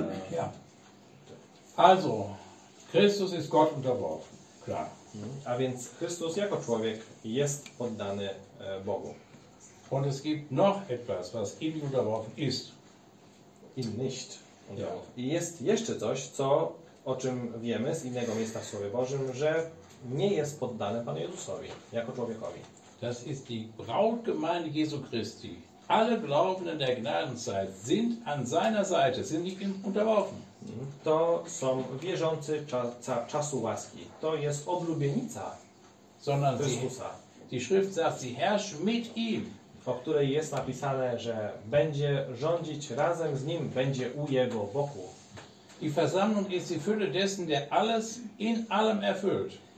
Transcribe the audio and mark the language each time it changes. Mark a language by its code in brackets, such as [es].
[de] Ja. Also, Christus ist Gott unterworfen. Klar. [pl] A więc Chrystus jako człowiek jest poddany Bogu. [de] Und es gibt noch etwas, was ihm unterworfen ist. Ihm nicht unterworfen. [pl] Ja. I jest jeszcze coś, co o czym wiemy z innego miejsca w Słowie Bożym, że nie jest poddany Panu Jezusowi jako człowiekowi. [de] Das ist die Brautgemeinde Jesu Christi. Alle Glaubenden der Gnadenzeit sind an seiner Seite, sind nicht ihm unterworfen. [pl] To są wierzący czasu łaski. To jest oblubienica Chrystusa. [de] Die Schrift sagt, sie herrscht mit ihm. [pl] O której jest napisane, że będzie rządzić razem z nim, będzie u jego boku. [de] Die Versammlung ist die Fülle dessen, der alles in allem erfüllt.